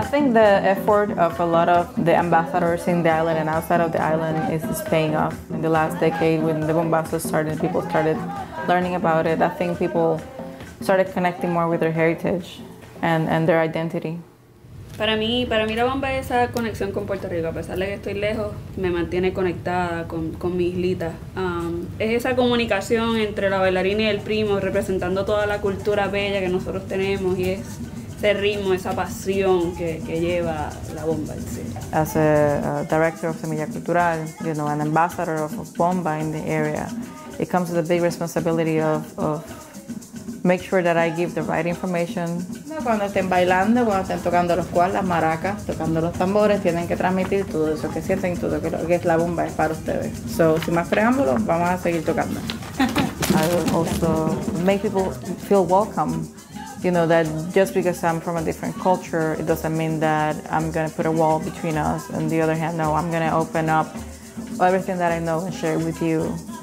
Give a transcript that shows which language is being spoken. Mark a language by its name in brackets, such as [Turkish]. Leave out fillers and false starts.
[English] The effort of a lot of the ambassadors in the island and outside of the island is paying off. In the last decade, when the bombazo started, people started learning about it. I think people started connecting more with their heritage and their identity. [Spanish] Para mí la bomba es esa conexión con Puerto Rico. A pesar de que estoy lejos, me mantiene conectada con mi islita. Es esa comunicación entre la bailarina y el primo, representando toda la cultura bella que nosotros tenemos, y es ese ritmo, esa pasión que lleva la bomba en sí. [English] As a director of Semilla Cultural, you know, an ambassador of bomba in the area, it comes with a big responsibility of make sure that I give the right information. [Spanish] Cuando estén bailando, cuando estén tocando los cuas, las maracas, tocando los tambores, tienen que transmitir todo eso que sienten, todo lo que es la bomba es para ustedes. So, sin más preámbulos, vamos a seguir tocando. [English] I will also make people feel welcome. You know, that just because I'm from a different culture, it doesn't mean that I'm gonna put a wall between us. On the other hand, no, I'm gonna open up everything that I know and share it with you.